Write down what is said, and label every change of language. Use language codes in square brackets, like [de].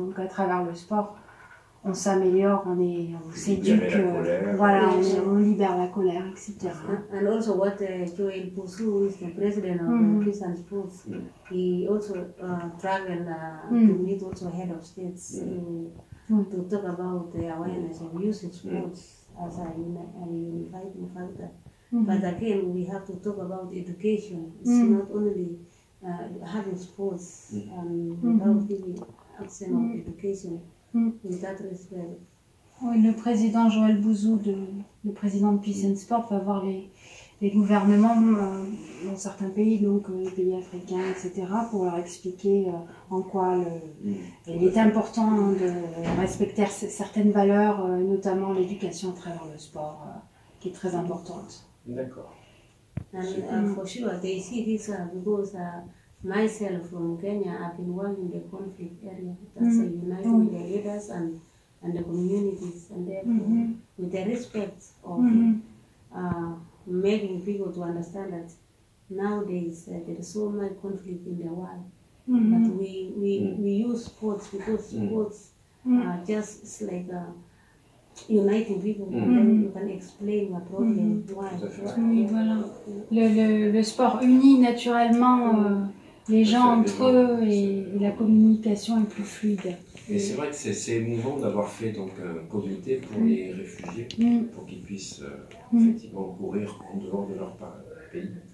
[fr] Donc à travers le sport, on s'améliore, on s'éduque, voilà, on libère la colère, etc. [en] And also what Joel Poussou is the president of mm-hmm. Peace and Sports, he also traveled to meet also head of states to talk about the awareness of using sports as a unifying factor. Mm-hmm. But again, we have to talk about education. It's mm-hmm. not only having sports and without giving access to education. Mm. [fr] Oui, le président Joël Bouzou, le président de Peace and Sport, va voir les gouvernements dans certains pays, donc les pays africains, etc., pour leur expliquer en quoi il est important de respecter certaines valeurs, notamment l'éducation à travers le sport, qui est très importante. D'accord. Et pour sûr, ils voient ça parce que. [en] Myself from Kenya, I've been working in the conflict area. That's uniting the leaders and the communities, and therefore, mm-hmm. with the respect of making people to understand that nowadays there is so much conflict in the world. Mm-hmm. But we use sports because sports just it's like uniting people. Mm-hmm. And then you can explain the problem why. [fr] Oui, voilà. Le sport unit naturellement. Les gens entre eux et la communication est plus fluide. Et c'est vrai que c'est émouvant d'avoir fait donc un comité pour les réfugiés, pour qu'ils puissent effectivement courir en dehors de leur pays.